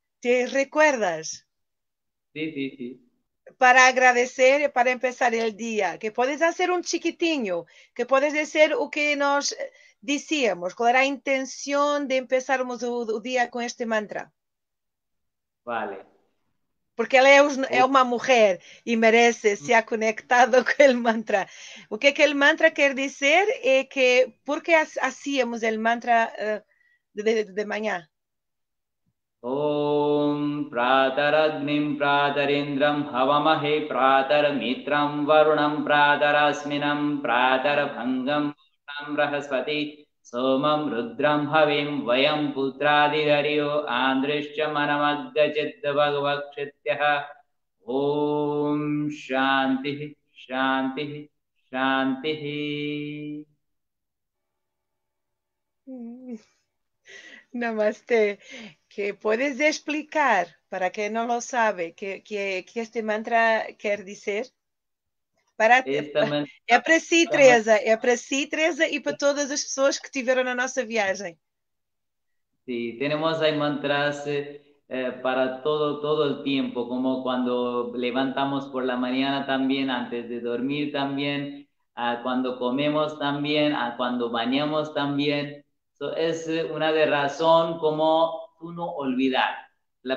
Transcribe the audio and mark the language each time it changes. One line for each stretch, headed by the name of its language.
Spanish: ¿Te recuerdas? sí. Para agradecer y para empezar el día. Que puedes hacer un chiquitinho, que puedes decir lo que nos decíamos, cuál era la intención de empezarmos el día con este mantra. Vale.
Portuguese: Porque ela é uma mulher e merece se conectado com o mantra. O que é que o mantra quer dizer é que porque hacíamos o mantra de manhã?
Sanskrit: Om Prataradnim Pratarindram Havamahe Prataramitram Varunam Pratarasminam Pratarabhangam Bhutam Brahaspati Somam Rudram Havim Vayam Putradi Dario Andrischa Manamagachit Bhagavakshitya Om Shanti Shanti Shanti. Namaste.
Spanish: ¿Qué puedes explicar para quien no lo sabe que este mantra
Portuguese: quer dizer? É para si, Teresa, é para si, Teresa, e para todas as pessoas que estiveram na nossa viagem.
Spanish: Sí, tenemos ahí mantras para todo el tiempo, como cuando levantamos por la mañana también, antes de dormir también, cuando comemos también, cuando bañamos también. So, es una de razón como uno olvidar la